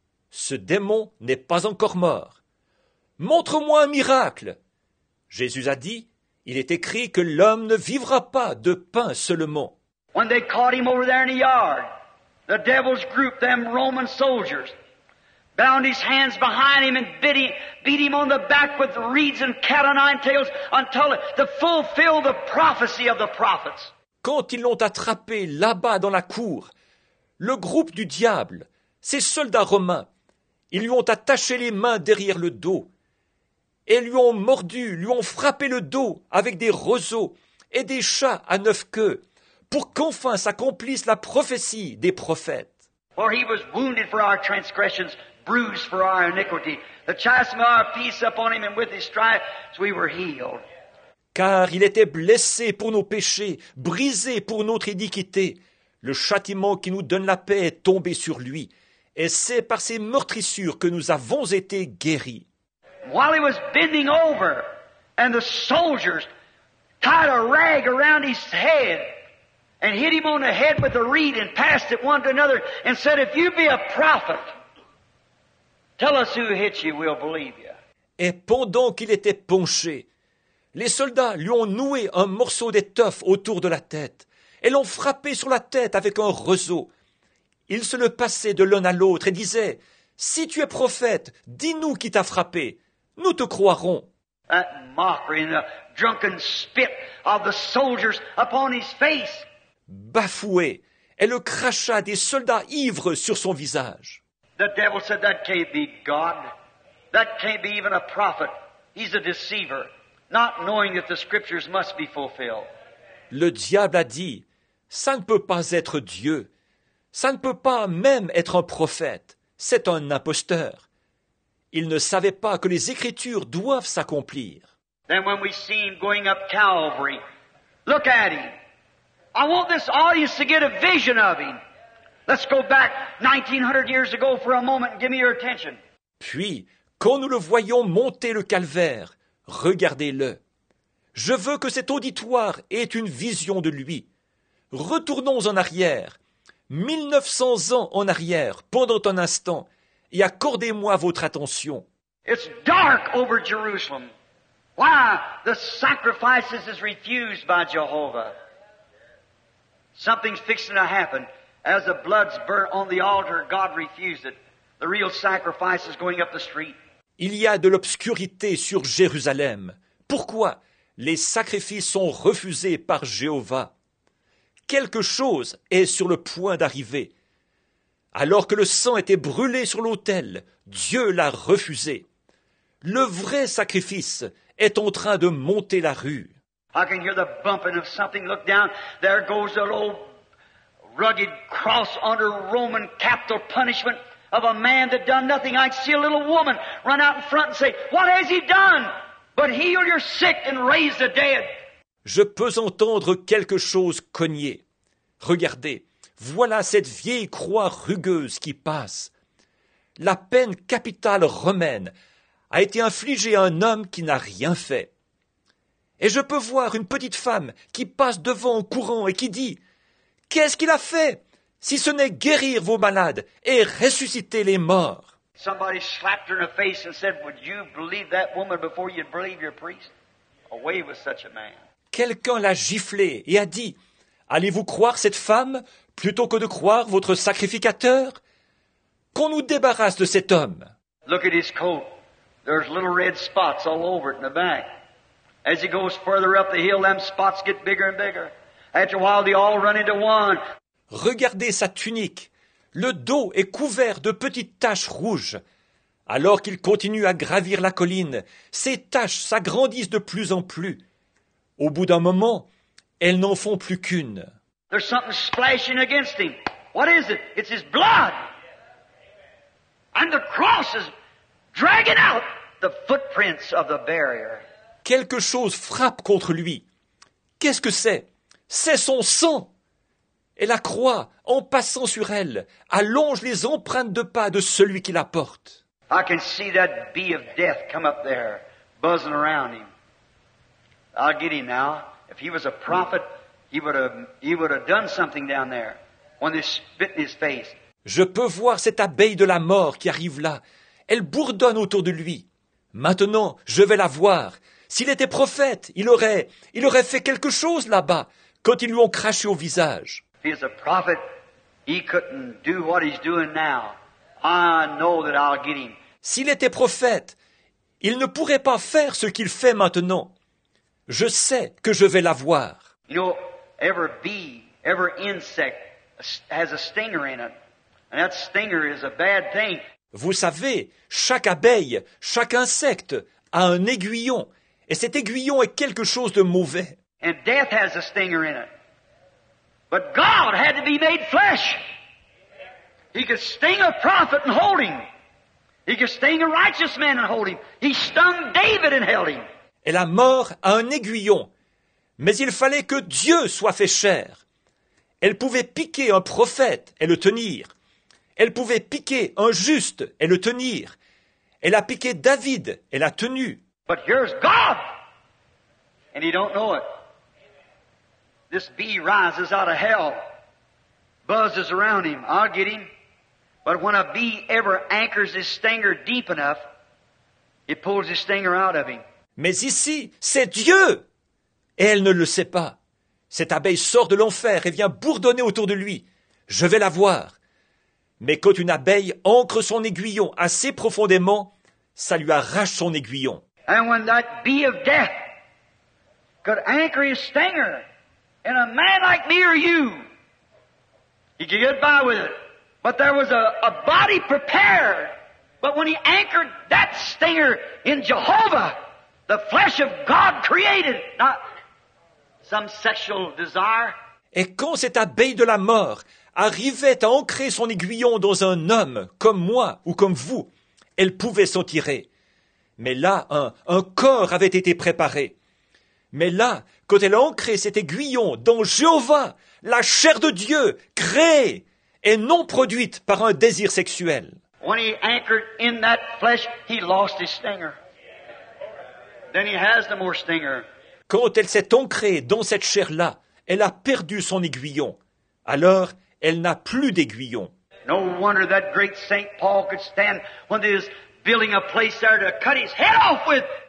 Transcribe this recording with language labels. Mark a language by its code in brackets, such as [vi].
[fr] Ce démon n'est pas encore mort. Montre-moi un miracle. Jésus a dit, il est écrit que l'homme ne vivra pas de pain seulement. [en] When they caught him over there in the yard, the devil's group, them Roman soldiers, bound his hands behind him and beat him on the back with reeds and cat o' nine tails until to fulfill the prophecy of the prophets. [fr] Quand ils l'ont attrapé là-bas dans la cour, le groupe du diable, ses soldats romains, ils lui ont attaché les mains derrière le dos. Et lui ont mordu, lui ont frappé le dos avec des roseaux et des chats à neuf queues, pour qu'enfin s'accomplisse la prophétie des prophètes. [en] For he was wounded for our transgressions, bruised for our iniquity. The chastisement of our peace upon him, and with his stripes we were healed. [fr] Car il était blessé pour nos péchés, brisé pour notre iniquité. Le châtiment qui nous donne la paix est tombé sur lui, et c'est par ses meurtrissures que nous avons été guéris. [en] While he was bending over, and the soldiers tied a rag around his head and hit him on the head with a reed and passed it one to another and said, if you be a prophet, tell us who hit you, we'll believe you. [fr] Et pendant qu'il était penché, les soldats lui ont noué un morceau d'étoffe autour de la tête et l'ont frappé sur la tête avec un roseau. Ils se le passaient de l'un à l'autre et disaient, si tu es prophète, dis-nous qui t'a frappé. Nous te croirons. [en] That mockery and the drunken spit of the soldiers upon his face. [fr] Bafoué, et le crachat des soldats ivres sur son visage. [en] The devil said, that can't be God. That can't be even a prophet. He's a deceiver, not knowing that the scriptures must be fulfilled. [fr] Le diable a dit, ça ne peut pas être Dieu. Ça ne peut pas même être un prophète. C'est un imposteur. Il ne savait pas que les Écritures doivent s'accomplir. [en] Then when we see him going up Calvary, look at him. I want this audience to get a vision of him. Let's go back 1900 years ago for a moment and give me your attention. [fr] Puis, quand nous le voyons monter le calvaire, Regardez-le. Je veux que cet auditoire ait une vision de lui. Retournons en arrière, 1900 ans en arrière, pendant un instant, et accordez-moi votre attention. [en] It's dark over Jerusalem. Why? The sacrifices is refused by Jehovah. Something's fixing to happen. As the blood's burnt on the altar, God refused it. The real sacrifice is going up the street. [fr] Il y a de l'obscurité sur Jérusalem. Pourquoi? Les sacrifices sont refusés par Jéhovah. Quelque chose est sur le point d'arriver. Alors que le sang était brûlé sur l'autel, Dieu l'a refusé. Le vrai sacrifice est en train de monter la rue. [en] I can hear the bumping of something. Look down. There goes a little rugged cross under Roman capital punishment of a man that done nothing. I see a little woman run out in front and say, what has he done? But heal your sick and raise the dead. [fr] Je peux entendre quelque chose cogner. Regardez, voilà cette vieille croix rugueuse qui passe. La peine capitale romaine a été infligée à un homme qui n'a rien fait. Et je peux voir une petite femme qui passe devant en courant et qui dit, « Qu'est-ce qu'il a fait, si ce n'est guérir vos malades et ressusciter les morts ?» [en] Somebody slapped her in the face and said, would you believe that woman before you'd believe your priest? Away with such a man. [fr] Quelqu'un l'a giflé et a dit, allez-vous croire cette femme plutôt que de croire votre sacrificateur? Qu'on nous débarrasse de cet homme. [en] Look at his coat. There's little red spots all over it in the back. As he goes further up the hill, them spots get bigger and bigger. After a while, they all run into one. [fr] Regardez sa tunique. Le dos est couvert de petites taches rouges. Alors qu'il continue à gravir la colline, ces taches s'agrandissent de plus en plus. Au bout d'un moment, elles n'en font plus qu'une. [en] There's something splashing against him. What is it? It's his blood. And the cross is dragging out the footprints of the barrier. [fr] Quelque chose frappe contre lui. Qu'est-ce que c'est? C'est son sang. Et la croix, en passant sur elle, allonge les empreintes de pas de celui qui la porte. [en] I can see that bee of death come up there, buzzing around him. I get him now. If he was a prophet, he would have done something down there when they spit in his face. [fr] Je peux voir cette abeille de la mort qui arrive là. Elle bourdonne autour de lui. Maintenant, je vais la voir. S'il était prophète, il aurait fait quelque chose là-bas quand ils lui ont craché au visage. [en] If he is a prophet, he couldn't do what he's doing now. I know that I'll get him. [fr] S'il était prophète, il ne pourrait pas faire ce qu'il fait maintenant. Je sais que je vais l'avoir. [en] You know, every bee, every insect has a stinger in it. And that stinger is a bad thing. [fr] Vous savez, chaque abeille, chaque insecte a un aiguillon. Et cet aiguillon est quelque chose de mauvais. [en] And death has a stinger in it. But God had to be made flesh. He could sting a prophet and hold him. He could sting a righteous man and hold him. He stung David and held him. [fr] Et la mort a un aiguillon. Mais il fallait que Dieu soit fait chair. Elle pouvait piquer un prophète et le tenir. Elle pouvait piquer un juste et le tenir. Elle a piqué David et l'a tenu. [en] But here's God. And he don't know it. This bee rises out of hell, buzzes around him. I'll get him. But when a bee ever anchors his stinger deep enough, it pulls his stinger out of him. [fr] Mais ici, c'est Dieu. Et elle ne le sait pas. Cette abeille sort de l'enfer et vient bourdonner autour de lui. Je vais la voir. Mais quand une abeille ancre son aiguillon assez profondément, ça lui arrache son aiguillon. [en] And when that bee of death could anchor his stinger, and a man like me or you, he could get by with it. But there was a body prepared. But when he anchored that stinger in Jehovah, the flesh of God created, not some sexual desire. [fr] Et quand cette abeille de la mort arrivait à ancrer son aiguillon dans un homme comme moi ou comme vous, elle pouvait s'en tirer. Mais là, un corps avait été préparé. Mais là, quand elle a ancré cet aiguillon dans Jéhovah, la chair de Dieu créée et non produite par un désir sexuel. [en] When he anchored in that flesh, he lost his stinger. then he has no more stinger. [fr] Quand elle s'est ancrée dans cette chair-là, elle a perdu son aiguillon. Alors, elle n'a plus d'aiguillon. [en] No wonder that great Saint Paul could stand when he was building a place there to cut his head off with.